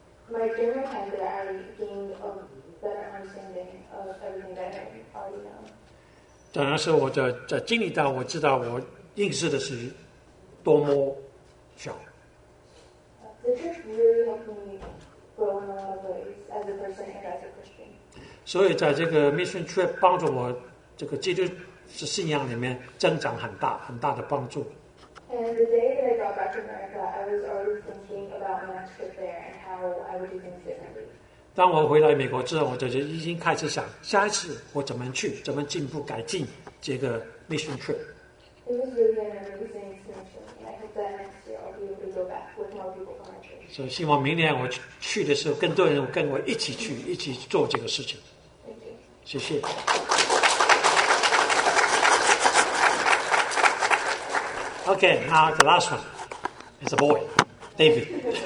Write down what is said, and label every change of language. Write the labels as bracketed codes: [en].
[en] My grandma had that I gained a better understanding of what understanding of everything that I already know. [zh] 当然是我在经历到我知道我认识的是多么小。 [en] The church really helped me grow in a lot of ways as a person and as a Christian. [zh] 所以在这个 mission trip 帮助我这个基督是信仰里面增长很大很大的帮助。 [en] And the day that I got back to America, I was already thinking about my next trip there and how I would do things differently. [zh] 当我回来美国之后，我就已经开始想下一次我怎么去，怎么进步改进这个 mission trip。 [en] It was really an amazing experience, and I hope that next year I'll be able to go back with more people from my church. [zh] 所以希望明年我去的时候，更多人跟我一起去，一起做这个事情。 [en] Thank you. [zh] 谢谢。 [en] Okay, now the last one. It's a boy, David.